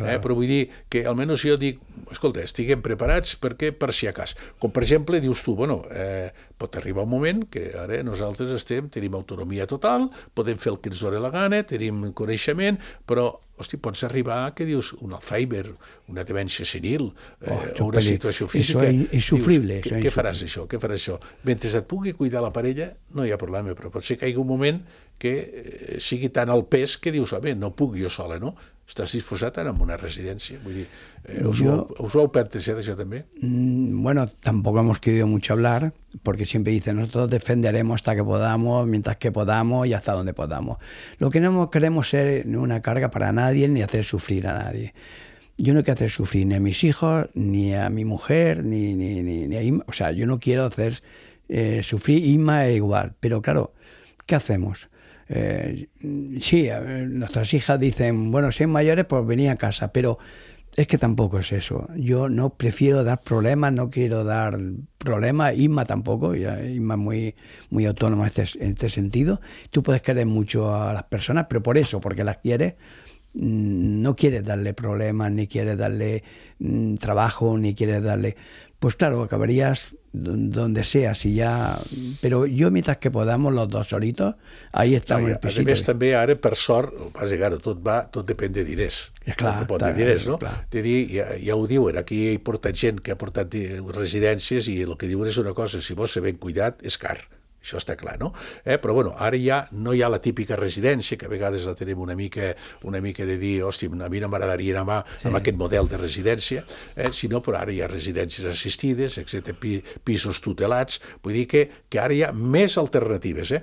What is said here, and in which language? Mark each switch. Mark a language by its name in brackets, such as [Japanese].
[Catalan] Però vull dir que almenys jo dic, escolta, estiguem preparats perquè per si a cas, com per exemple dius tu, bueno, pot arribar un moment que ara nosaltres tenim autonomia total, podem fer el que ens dona la gana, tenim coneixement, però hòstia, pots arribar que dius un Alzheimer, una demència senil, una situació física. Això és insufrible. Què faràs això? Què faràs això? Mentre et pugui cuidar la parella, no hi ha problema, però pot ser que hi hagi un moment que sigui tant el pes que dius, home, no puc jo sola, no? Estàs disposat ara en una residència? Vull dir, us ho heu plantejat això també? [Spanish] Bueno, tampoc hemos querido mucho hablar, porque siempre dicen, nosotros defenderemos hasta que podamos, mientras que podamos y hasta donde podamos. Lo que no queremos ser ni una carga para nadie ni hacer sufrir a nadie. Yo no quiero hacer sufrir ni a mis hijos, ni a mi mujer, ni a Inma. O sea, yo no quiero hacer sufrir, Inma es igual. Pero claro, ¿qué hacemos? Nuestras hijas dicen, bueno, si es mayores, pues venía a casa, pero es que tampoco es eso. Yo no prefiero dar problemas, no quiero dar problemas. Inma tampoco, Inma es muy, muy autónoma en este sentido. Tú puedes querer mucho a las personas, pero por eso, porque las quieres, no quieres darle problemas, ni quieres darle trabajo, ni quieres darle. Pues claro, acabarías donde sea, si ya. Pero yo, mientras que podamos, los dos solitos, ahí estamos. [Catalan] A més, també, ara, per sort, vas dir, ara, tot depèn de diners. Clar, de diners, no? De dir, ja ho diuen, aquí hi porta gent que ha portat residències i el que diuen és una cosa, si vols ser ben cuidat, és car. Això està clar, no? Però, bueno, ara ja no hi ha la típica residència, que a vegades la tenim una mica de dir, hòstia, a mi no m'agradaria anar amb aquest model de residència, sinó, però ara hi ha residències assistides, etcètera, pisos tutelats, vull dir que ara hi ha més alternatives,